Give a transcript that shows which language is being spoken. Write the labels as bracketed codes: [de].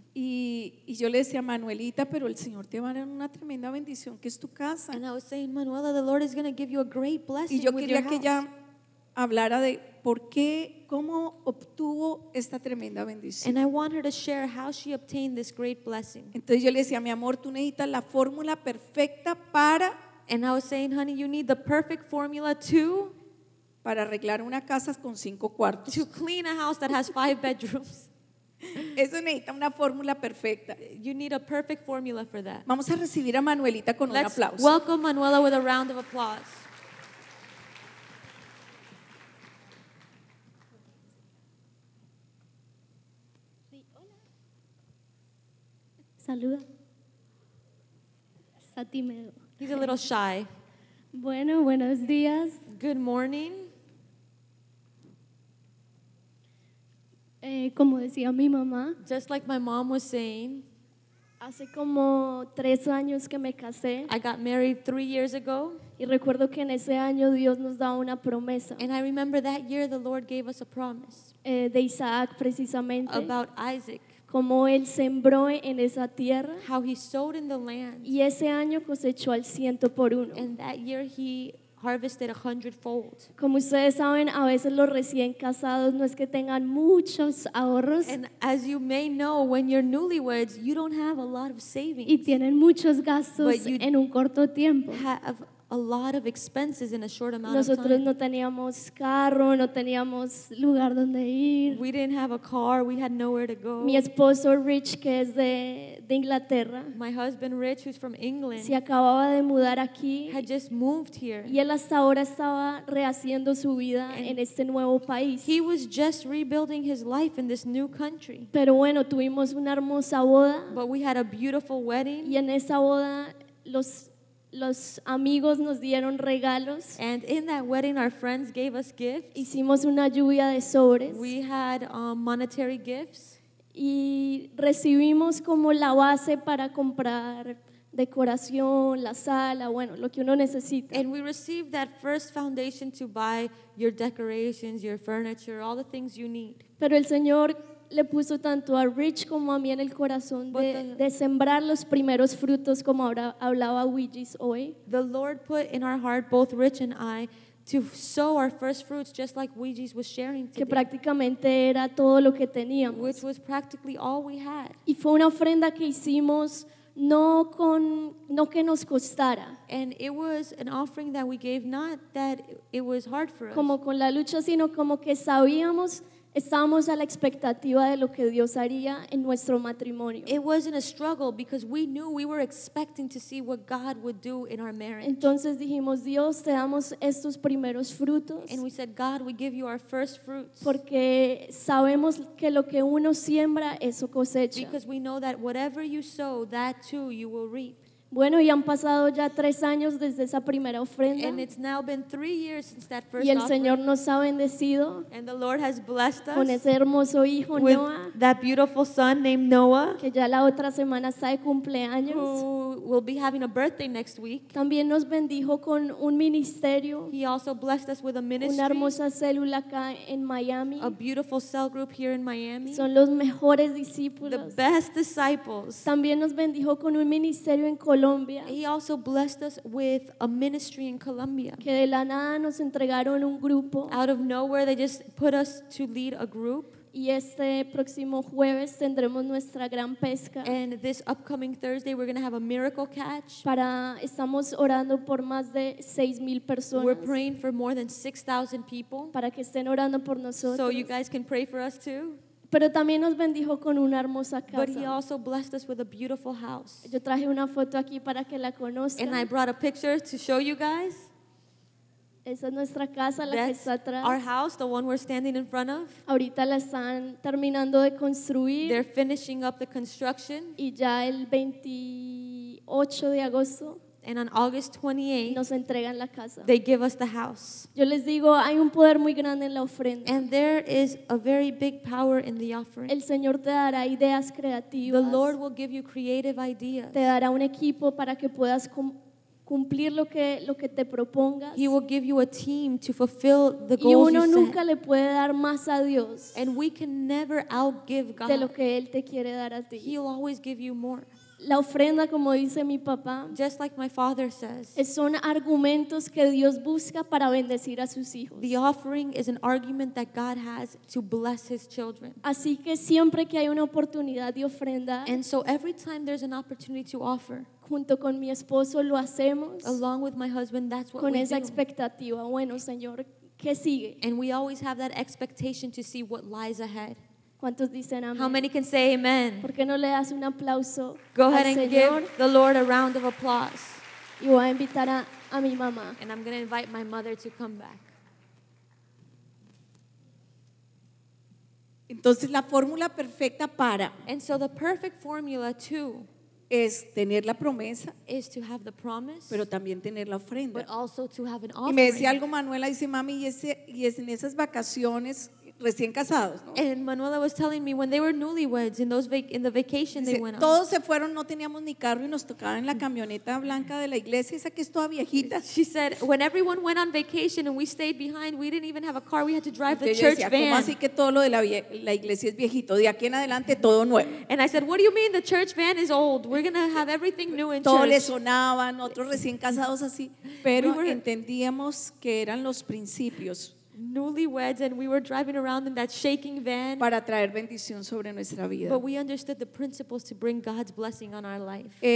[es] Y yo le decía a Manuelita, pero el Señor te va a dar una tremenda bendición, que es tu casa. [en] And I was saying, Manuela, the Lord is going to give you a great blessing with your house. [es] Y yo quería que ella hablara de por qué, cómo obtuvo esta tremenda bendición. [en] And I want her to share how she obtained this great blessing. [es] Entonces yo le decía, mi amor, tú necesitas la fórmula perfecta para. [en] And I was saying, honey, you need the perfect formula to. [es] Para arreglar una casa con 5 cuartos. [en] To clean a house that has 5 bedrooms. [es] Eso necesita una fórmula perfecta. [en] You need a perfect formula for that. [es] Vamos a recibir a Manuelita con [en] Let's [es] un aplauso. [en] Let's welcome Manuela with a round of applause. [es] Sí, hola. Saluda. Está tímido. [en] He's a little shy. [es] Bueno, buenos días. [en] Good morning. [es] Como decía mi mamá, [en] just like my mom was saying, [es] hace como 3 años que me casé. [en] I got married 3 years ago. [es] Y recuerdo que en ese año Dios nos da una promesa. [en] And I remember that year the Lord gave us a promise. [es] De Isaac, precisamente. [en] About Isaac. [es] Como él sembró en esa tierra. [en] How he sowed in the land. [es] Y ese año cosechó al 100 por 1. [en] And that year he harvested 100-fold. [es] Como ustedes saben, a veces los recién casados no es que tengan muchos ahorros. [en] And as you may know, when you're newlyweds, you don't have a lot of savings. [es] Y tienen muchos gastos en un corto tiempo. [en] Have a lot of expenses in a short amount [es] Nosotros [en] of time. [es] Nosotros no teníamos carro, no teníamos lugar donde ir. [en] We didn't have a car, we had nowhere to go. [es] Mi esposo Rich, que es de Inglaterra. [en] My husband Rich, who's from England, [es] se acababa de mudar aquí. [en] Had just moved here. [es] Y él hasta ahora estaba rehaciendo su vida en este nuevo país. [en] He was just rebuilding his life in this new country. [es] Pero bueno, tuvimos una hermosa boda. [en] But we had a beautiful wedding. [es] Y en esa boda los amigos nos dieron regalos. [en] And in that wedding, our friends gave us gifts. [es] Hicimos una lluvia de sobres. [en] We had monetary gifts. [es] Y recibimos como la base para comprar decoración, la sala, bueno, lo que uno necesita. [en] And we received that first foundation to buy your decorations, your furniture, all the things you need. [es] Pero el Señor le puso tanto a Rich como a mí en el corazón de sembrar los primeros frutos, como ahora hablaba Wiggis hoy. [en] The Lord put in our heart, both Rich and I, to sow our first fruits, just like Ouija's was sharing today. [es] Que prácticamente era todo lo que teníamos. [en] Which was practically all we had. [es] Y fue una ofrenda que hicimos no que nos costara. [en] And it was an offering that we gave, not that it was hard for us. [es] Como con la lucha, sino como que sabíamos, estábamos a la expectativa de lo que Dios haría en nuestro matrimonio. [en] It wasn't a struggle because we knew we were expecting to see what God would do in our marriage. [es] Entonces dijimos, Dios, te damos estos primeros frutos. [en] And we said, God, we give you our first fruits. [es] Porque sabemos que lo que uno siembra, eso cosecha. [en] Because we know that whatever you sow, that too you will reap. [es] Bueno, y han pasado ya 3 años desde esa primera ofrenda. [en] And it's now been 3 years since that first [es] y el [en] offering. [es] Señor nos ha bendecido. [en] And the Lord has blessed us [es] con ese hermoso hijo [en] with Noah, that beautiful son named Noah, [es] que ya la otra semana está de cumpleaños, [en] who will be having a birthday next week. [es] También nos bendijo con un ministerio. [en] He also blessed us with a ministry, [es] una hermosa célula acá en Miami, [en] a beautiful cell group here in Miami. [es] Son los mejores discípulos, [en] the best disciples. [es] También nos bendijo con un ministerio en Colombia. [en] He also blessed us with a ministry in Colombia. [es] Que de la nada nos entregaron un grupo. [en] Out of nowhere, they just put us to lead a group. [es] Y este próximo jueves tendremos nuestra gran pesca. [en] And this upcoming Thursday we're going to have a miracle catch. [es] Para estamos orando por más de 6,000 personas. [en] We're praying for more than 6,000 people. [es] Para que estén orando por nosotros. [en] So you guys can pray for us too. [es] Pero también nos bendijo con una hermosa casa. [en] But he also blessed us with a beautiful house. [es] Yo traje una foto aquí para que la conozcan. [en] And I brought a picture to show you guys. [es] Esa es nuestra casa, la [en] That's [es] que está atrás. [en] Our house, the one we're standing in front of. [es] Ahorita la están terminando de construir. [en] They're finishing up the construction. [es] Y ya el 28 de agosto. [en] And on August 28, [es] nos entregan la casa. [en] They give us the house. [es] Yo les digo, hay un poder muy grande en la ofrenda. [en] And there is a very big power in the offering. [es] El Señor te dará ideas creativas. [en] The Lord will give you creative ideas. [es] Te dará un equipo para que puedas cumplir lo que te propongas. [en] He will give you a team to fulfill the goals you set. [es] Y uno nunca [en] set. [es] Le puede dar más a Dios. [en] And we can never outgive God. [es] De lo que Él te quiere dar a ti. [en] He'll always give you more. [es] La ofrenda, como dice mi papá, [en] just like my father says, [es] son argumentos que Dios busca para bendecir a sus hijos. [en] The offering is an argument that God has to bless his children. [es] Así que siempre que hay una oportunidad de ofrenda, [en] and so every time there's an opportunity to offer, [es] junto con mi esposo lo hacemos, [en] along with my husband, that's what [es] con [en] we [es] esa [en] do. [es] Expectativa, bueno, Señor, ¿qué sigue? [en] And we always have that expectation to see what lies ahead. [es] ¿Cuántos dicen amén? [en] How many can say amen? [es] ¿Por qué no le das un aplauso al Señor? [en] Go ahead and give the Lord a round of applause. [es] Y voy a invitar a mi mamá. [en] And I'm going to invite my mother to come back. [es] Entonces la fórmula perfecta para [en] and so the perfect formula too [es] es tener la promesa [en] is to have the promise, [es] pero también tener la ofrenda. [en] But also to have an offering. [es] Y me decía algo Manuela, dice mami y es en esas vacaciones recién casados, ¿no? [en] And Manuela was telling me when they were newlyweds in the vacation [es] dice, [en] they went on. [es] Todos se fueron, no teníamos ni carro y nos tocaba en la camioneta blanca de la iglesia, esa que es toda viejita. [en] She said when everyone went on vacation and we stayed behind, we didn't even have a car, we had to drive [es] entonces [en] the church [es] decía, [en] van. [es] ¿Cómo así que todo lo de la iglesia es viejito? De aquí en adelante todo nuevo. [en] And I said, what do you mean the church van is old? We're gonna have everything new in [es] todo [en] church. [es] Todo le sonaba, nosotros recién casados así, pero [en] we were, [es] entendíamos que eran los principios. [en] Newlyweds and we were driving around in that shaking van [es] para traer bendición sobre nuestra vida. [en] But we understood the principles to bring God's blessing on our life.